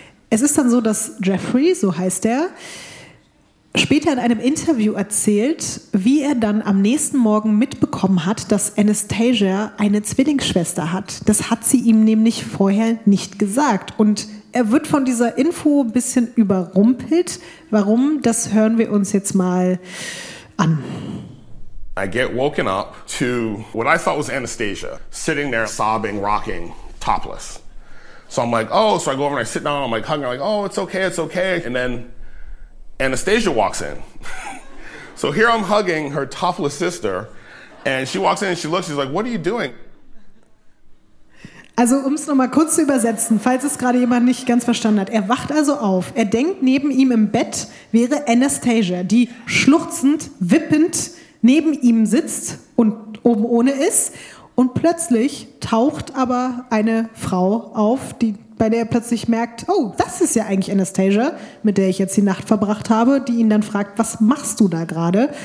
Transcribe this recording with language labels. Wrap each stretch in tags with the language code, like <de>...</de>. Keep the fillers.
<de>Es ist dann so, dass Jeffrey, so heißt er, später in einem Interview erzählt, wie er dann am nächsten Morgen mitbekommen hat, dass Anastasia eine Zwillingsschwester hat. Das hat sie ihm nämlich vorher nicht gesagt. Und er wird von dieser Info ein bisschen überrumpelt. Warum? Das hören wir uns jetzt mal an.</de> <en>I get woken up to what I thought was Anastasia sitting there sobbing, rocking, topless. So I'm like, oh, so I go over and I sit down, I'm like hugging, I'm like, oh, it's okay, it's okay. And then Anastasia walks in. so here I'm hugging her topless sister, and she walks in and she looks, she's like, what are you doing?</en> <de>Also, um es nochmal kurz zu übersetzen, falls es gerade jemand nicht ganz verstanden hat. Er wacht also auf. Er denkt, neben ihm im Bett wäre Anastasia, die schluchzend, wippend, neben ihm sitzt und oben ohne ist. Und plötzlich taucht aber eine Frau auf, die, bei der er plötzlich merkt, oh, das ist ja eigentlich Anastasia, mit der ich jetzt die Nacht verbracht habe, die ihn dann fragt, was machst du da gerade?</de>